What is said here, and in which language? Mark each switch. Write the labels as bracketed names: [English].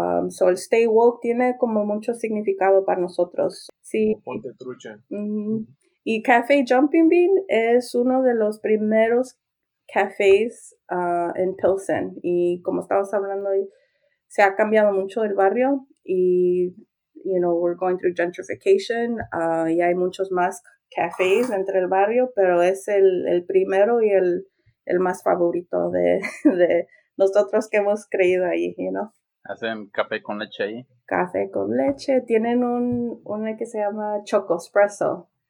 [Spanish] So el Stay Woke tiene como mucho significado para nosotros. Sí. Ponte trucha. Mm-hmm. Y Café Jumping Bean es uno de los primeros cafés en Pilsen. Y como estábamos hablando, se ha cambiado mucho el barrio. Y, [English] you know, we're going through gentrification. [Spanish] Y hay muchos más cafés entre el barrio. Pero es el primero y el más favorito de nosotros que hemos creído ahí, [English] you know. [Spanish] ¿Hacen café con leche ahí? Café con leche. Tienen una que se llama Choco Espresso.